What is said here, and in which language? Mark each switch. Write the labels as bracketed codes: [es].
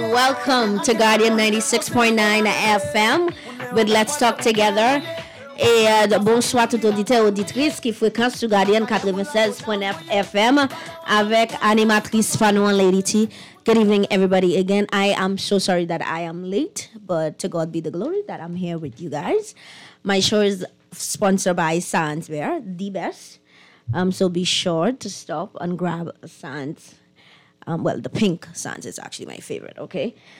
[en] Welcome to Guardian 96.9 FM with Let's Talk Together. [fr] Et bonsoir tout auditeur auditrice qui fréquente sur Guardian 96.9 FM avec animatrice Fanon Lady T. [en] Good evening, everybody. Again, I am so sorry that I am late, but to God be the glory that I'm here with you guys. My show is sponsored by Sans Bear, the best. So be sure to stop and grab Sans. Well, the pink Sans is actually my favorite, okay?